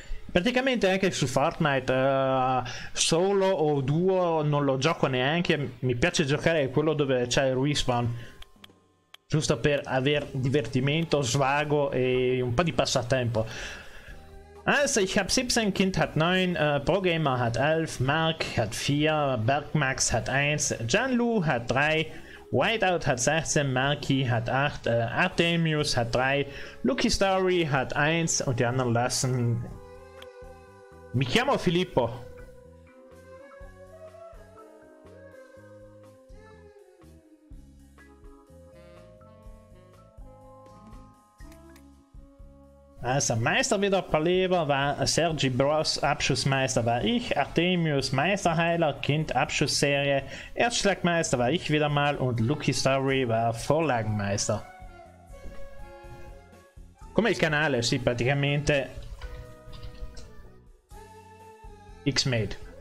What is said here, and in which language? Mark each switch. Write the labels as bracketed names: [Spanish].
[Italian] Praticamente anche su Fortnite solo o duo non lo gioco neanche. Mi piace giocare quello dove c'è il respawn, giusto per aver divertimento, svago e un po' di passatempo. [German] Also, ich hab 17, Kind hat 9, ProGamer hat 11, Mark hat 4, Bergmax hat 1, Janlu hat 3, Whiteout hat 16, Marky hat 8, Artemius hat 3, Lucky Story hat 1 und die anderen lassen. [Italian] Mi chiamo Filippo. [German] Also Meister wieder Paleva war Sergi Bros, Abschussmeister war ich, Artemius Meisterheiler, Kind Abschussserie, Erstschlagmeister war ich wieder mal und Lucky Story war Vorlagenmeister. [Italian] Come il canale, sì, praticamente X-Made.